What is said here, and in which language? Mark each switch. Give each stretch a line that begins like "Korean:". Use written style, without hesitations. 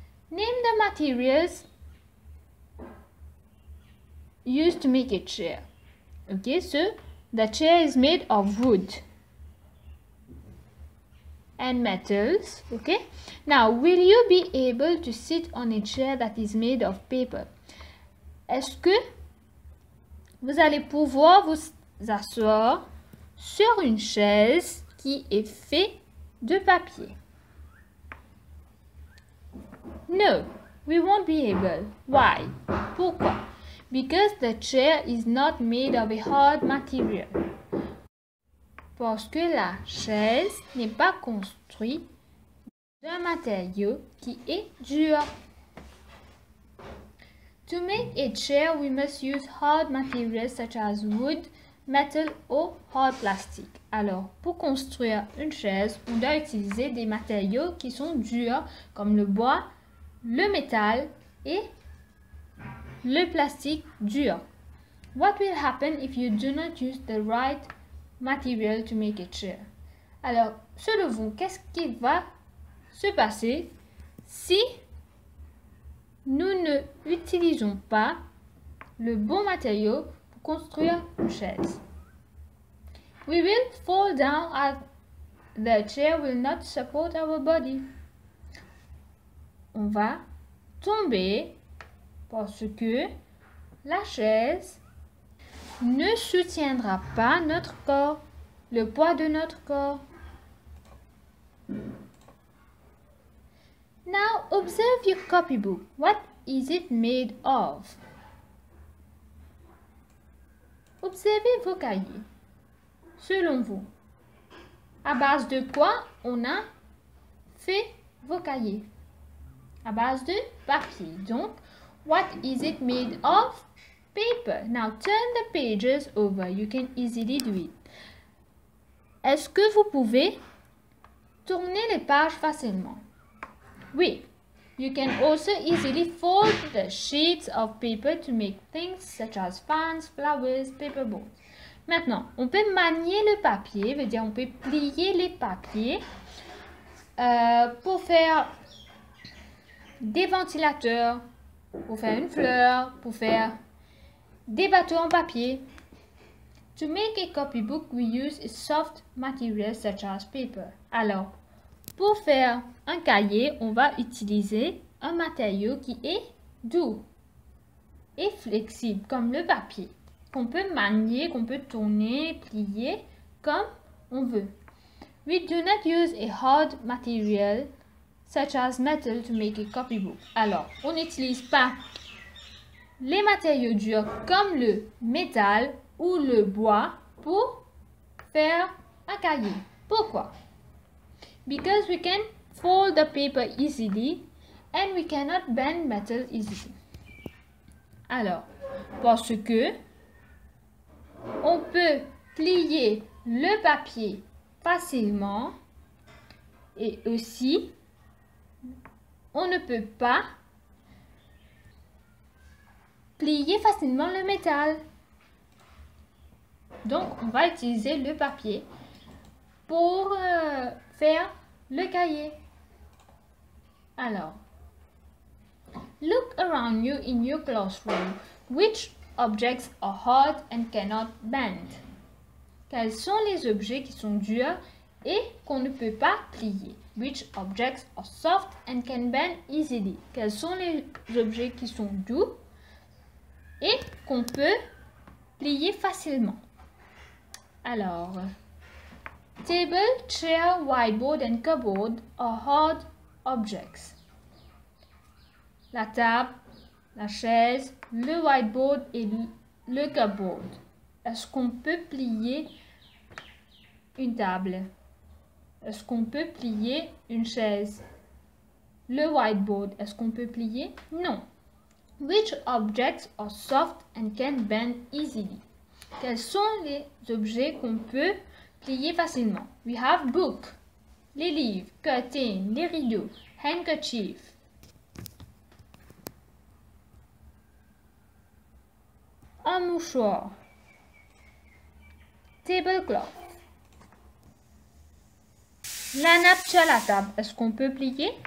English: Name the materials used to make a chair. Okay, so the chair is made of wood and metals, okay? Now, will you be able to sit on a chair that is made of paper?
French: Est-ce que vous allez pouvoir vous asseoir sur une chaise qui est faite de papier?
English: No, we won't be able. Why?
French: Pourquoi?
English: Because the chair is not made of a hard material.
French: Parce que la chaise n'est pas construite d'un matériau qui est dur.
English: To make a chair, we must use hard materials such as wood, metal or hard plastic.
French: Alors, pour construire une chaise, on doit utiliser des matériaux qui sont durs comme le bois, le métal et le plastique dur.
English: What will happen if you do not use the right material to make a chair?
French: Alors, selon vous, qu'est-ce qui va se passer si nous ne utilisons pas le bon matériau pour construire une chaise?
English: We will fall down as the chair will not support our body.
French: On va tomber parce que la chaise ne soutiendra pas notre corps, le poids de notre corps.
English: Now observe your copybook. What is it made of?
French: Observez vos cahiers. Selon vous, à base de quoi on a fait vos cahiers? À base de papier. Donc,
English: what is it made of? paper. Now turn the pages over. You can easily do it.
French: Est-ce que vous pouvez tourner les pages facilement? Oui.
English: You can also easily fold the sheets of paper to make things such as fans, flowers, paper balls.
French: Maintenant, on peut manier le papier, veut dire on peut plier les papiers pour faire des ventilateurs, pour faire une fleur, pour faire des bateaux en papier.
English: To make a copybook, we use a soft material such as paper.
French: Alors, pour faire un cahier, on va utiliser un matériau qui est doux et flexible, comme le papier, qu'on peut manier, qu'on peut tourner, plier, comme on veut.
English: We do not use a hard material such as metal to make a copybook.
French: Alors, on n'utilise pas les matériaux durs comme le métal ou le bois pour faire un cahier. Pourquoi?
English: Because we can fold the paper easily and we cannot bend metal easily.
French: Alors, parce que on peut plier le papier facilement et aussi on ne peut pas plier facilement le métal. Donc, on va utiliser le papier pour faire le cahier. Alors,
English: look around you in your classroom. Which objects are hard and cannot bend?
French: Quels sont les objets qui sont durs et qu'on ne peut pas plier?
English: Which objects are soft and can bend easily?
French: Quels sont les objets qui sont doux et qu'on peut plier facilement? Alors,
English: table, chair, whiteboard and cupboard are hard objects.
French: La table, la chaise, le whiteboard et le cupboard. Est-ce qu'on peut plier une table? Est-ce qu'on peut plier une chaise? Le whiteboard, est-ce qu'on peut plier? Non.
English: Which objects are soft and can bend easily?
French: Quels sont les objets qu'on peut plier facilement?
English: We have book,
French: les livres,
English: curtains,
French: les rideaux,
English: handkerchief.
French: Un mouchoir, tablecloth, la nappe sur la table, est-ce qu'on peut plier?